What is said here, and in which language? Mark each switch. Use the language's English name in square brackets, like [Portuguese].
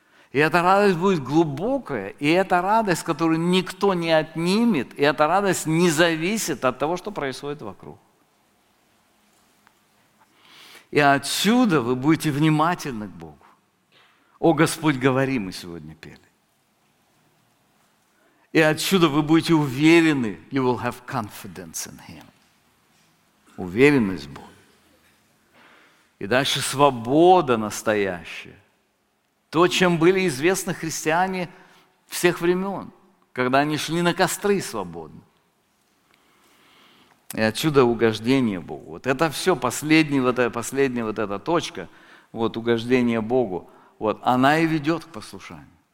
[Russian] И эта радость будет глубокая, и это радость, которую никто не отнимет, и эта радость не зависит от того, что происходит вокруг. И отсюда вы будете внимательны к Богу. «О Господь, говори», мы сегодня пели. И отсюда вы будете уверены, [English] you will have confidence in Him. [Russian] Уверенность в Боге. И дальше свобода настоящая. То, чем были известны христиане всех времен, когда они шли на костры свободно. И отсюда угождение Богу. Вот это все, последняя вот эта точка, вот угождение Богу, вот она и ведет к послушанию.